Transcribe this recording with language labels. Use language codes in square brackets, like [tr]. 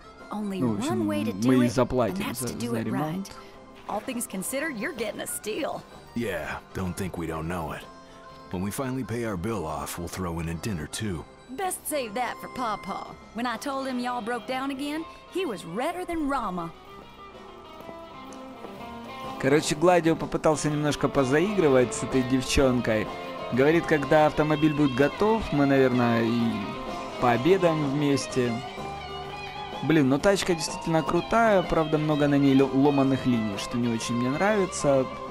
[ru] Ну, в общем, мы ей заплатим за ремонт. [en] All things considered, you're getting a steal. Yeah, don't think we don't know it. When we finally pay our bill off, we'll throw in a dinner too. Best save that for Papa. When I told him y'all broke down again, he was redder than Rama. [ru] Короче, Гладио попытался немножко позаигрывать с этой девчонкой. Говорит, когда автомобиль будет готов, мы, наверное, и пообедаем вместе. Блин, ну тачка действительно крутая, правда, много на ней ломаных линий, что не очень мне нравится.